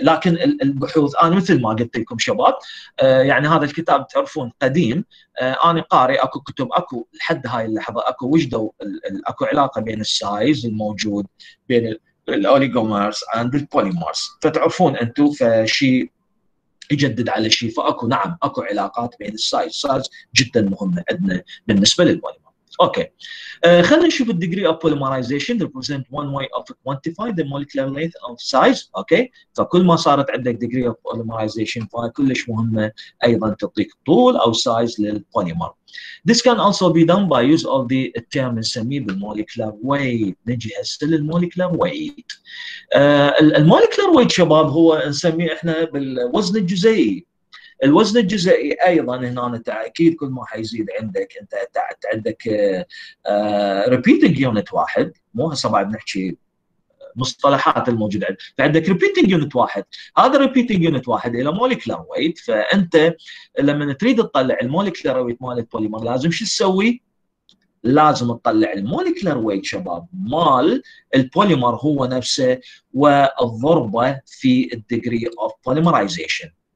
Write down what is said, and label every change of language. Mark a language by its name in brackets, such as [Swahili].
[Arabic] لكن البحوث انا مثل ما قلت لكم شباب يعني هذا الكتاب تعرفون قديم انا قاري اكو كتب اكو لحد هاي اللحظه اكو وجدوا اكو علاقه بين السايز الموجود بين الاوليغومرز اند البوليمرز فتعرفون انتم فشيء يجدد على شيء فاكو نعم اكو علاقات بين السايز جدا مهمه عندنا بالنسبه للبوليمر. [English] okay [Arabic] خلينا نشوف [English] الديجري of polymerization represent one way of quantify the molecular length of size. [Arabic] اوكي فكل ما صارت عندك ديجري اوف بوليمرايزيشن فهي كلش مهمه ايضا تعطيك طول او سايز للبوليمر. [English] This can also be done by use of the term [Arabic] نسميه بالمولكيولار ويت. نجي هسه للمولكيولار ويت. المولكيولار ويت شباب هو نسميه احنا بالوزن الجزيئي. الوزن الجزيئي ايضا هنا انت اكيد كل ما حيزيد عندك انت عندك ريبيتنج يونت واحد، مو هسه بعد نحكي مصطلحات الموجودة عندك، فعندك ريبيتنج يونت واحد، هذا ريبيتنج يونت واحد الى مولكيولار ويت، فانت لما تريد تطلع المولكيولار ويت مال البوليمر لازم شو تسوي؟ لازم تطلع المولكيولار ويت شباب مال البوليمر هو نفسه والضربه في الديجري اوف بوليمرايزيشن.